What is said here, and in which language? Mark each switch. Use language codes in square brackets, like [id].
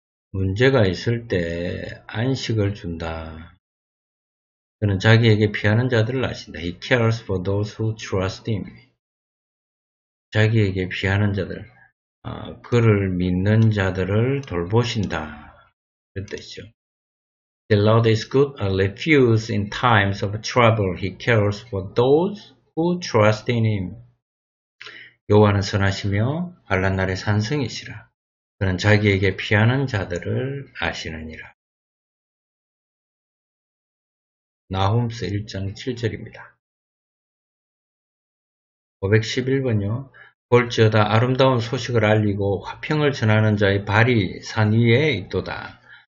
[ko] 문제가 있을 때 안식을 준다. 그는 자기에게 피하는 자들을 아신다. [en] He cares for those who trust him. [ko] 자기에게 피하는 자들, 그를 믿는 자들을 돌보신다. 그 뜻이죠. [en] The Lord is good, a refuge in times of trouble. He cares for those who trust in him. [ko] 여호와는 선하시며 환난 날의 산성이시라. 그는 자기에게 피하는 자들을 아시느니라. 나훔서 1장 7절입니다. 511번요. 볼지어다 아름다운 소식을 알리고 화평을 전하는 자의 발이 산 위에 있도다.